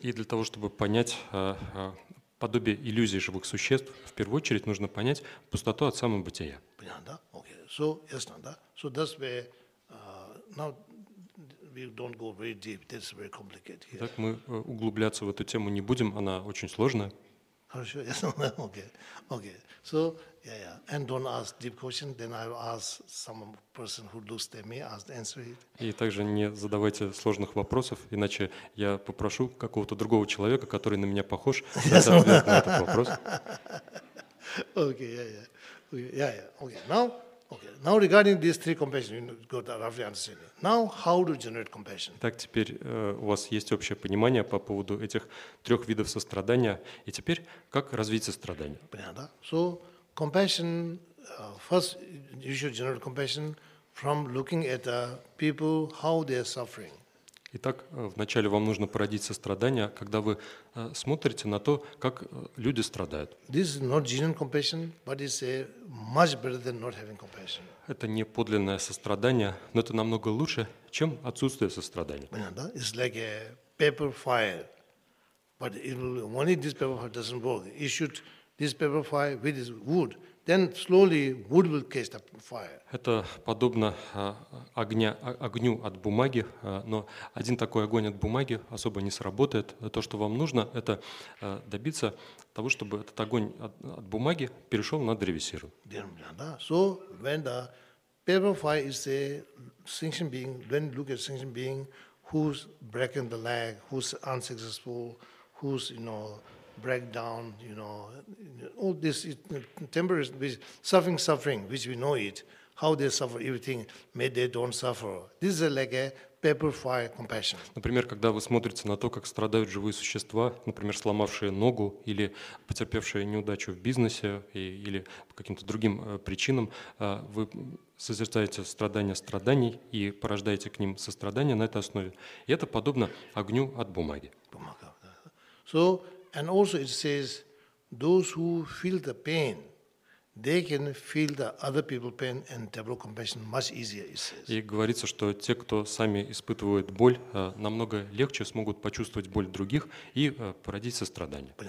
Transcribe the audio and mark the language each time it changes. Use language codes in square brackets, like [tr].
[ru] И для того, чтобы понять подобие иллюзий живых существ, в первую очередь нужно понять пустоту от самобытия. Понятно, да? Okay. So, ясно, да? [en] So that's where now we don't go very deep. That's very complicated. Yeah. [ru] Итак, мы углубляться в эту тему не будем, она очень сложная. Хорошо, ясно, да? [en] Okay. Okay. So, yeah. And don't ask deep question, then I'll ask some person who looks at me, ask to answer it. [ru] И также не задавайте сложных вопросов, иначе я попрошу какого-то другого человека, который на меня похож, дать ответ на этот вопрос. [en] Okay, yeah. Okay, now. Okay, now regarding these three compassion, you got a roughly understanding. Now, how to generate compassion? [ru] Так, теперь у вас есть общее понимание по поводу этих трех видов сострадания. И теперь, как развить сострадание? Понятно, да? [en] So, compassion, first, you should generate compassion from looking at people, how they are suffering. [ru] Итак, вначале вам нужно породить сострадание, когда вы смотрите на то, как люди страдают. [en] This is not genuine compassion, but it's much better than not having compassion. [ru] это не подлинное сострадание, но это намного лучше, чем отсутствие сострадания. Понятно, да? [en] It's like a paper fire. But only this paper fire doesn't work. You should this paper fire with this wood. Then slowly wood will catch the fire. [ru] Это подобно огню от бумаги, но один такой огонь от бумаги особо не сработает. То, что вам нужно, это добиться того, чтобы этот огонь от бумаги перешел на древесину. [en] So when the paper fire is a sentient being, then look at sentient being who's breaking the leg, who's unsuccessful, who's, you know, break down, you know, all this temporary suffering, which we know it, how they suffer everything, may they don't suffer. This is like a paper fire compassion. [ru] Например, когда вы смотрите на то, как страдают живые существа, например, сломавшие ногу или потерпевшие неудачу в бизнесе или по каким-то другим причинам, вы созерцаете страданий и порождаете к ним сострадание на этой основе. И это подобно огню от бумаги. Бумага, да. [en] So, and also it says, those who feel the pain, they can feel the other people's pain and develop compassion much easier, it says. [ru] И говорится, что те, кто сами испытывают боль, намного легче смогут почувствовать боль других и породить сострадание.